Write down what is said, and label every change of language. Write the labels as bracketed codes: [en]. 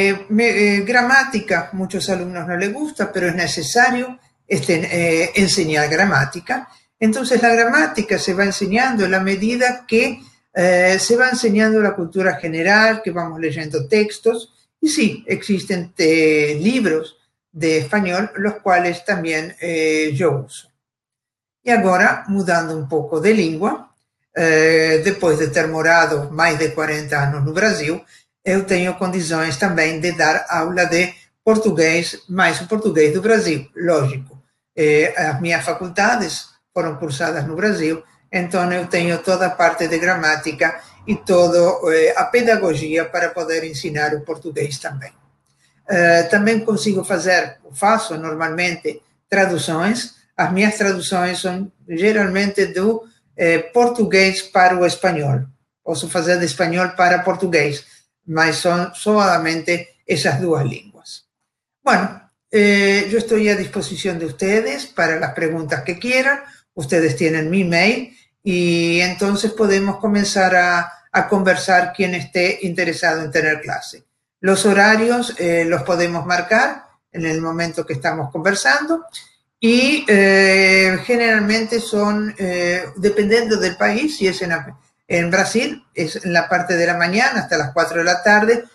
[es] Gramática, muchos alumnos no les gusta, pero es necesario enseñar gramática. Entonces, la gramática se va enseñando en la medida que se va enseñando la cultura general, que vamos leyendo textos. Y sí, existen libros de español, los cuales también yo uso. Y ahora, mudando un poco de lengua, después de ter morado más de 40 años en Brasil, [pt] eu tenho condições também de dar aula de português, mais o português do Brasil, lógico. As minhas faculdades foram cursadas no Brasil, então eu tenho toda a parte de gramática e toda a pedagogia para poder ensinar o português também. Também consigo fazer, faço normalmente, traduções. As minhas traduções são geralmente do português para o espanhol. Posso fazer de espanhol para português, mas [es] son solamente esas dos lenguas. Bueno, yo estoy a disposición de ustedes para las preguntas que quieran. Ustedes tienen mi mail y entonces podemos comenzar a conversar quien esté interesado en tener clase. Los horarios los podemos marcar en el momento que estamos conversando y generalmente son, dependiendo del país, si es en Brasil es en la parte de la mañana hasta las 4 de la tarde.